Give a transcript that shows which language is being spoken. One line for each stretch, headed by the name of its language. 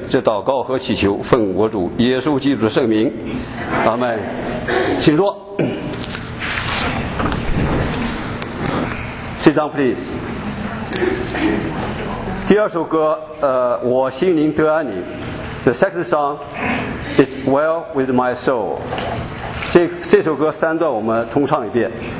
Chinese: 这祷告和祈求奉我主耶稣基督的圣名，阿们。请坐。
English: Sit down please。
Chinese: 第二首歌我心灵得安宁。
English: The second song It's well with my soul。
Chinese: 这首歌三段我们通唱一遍。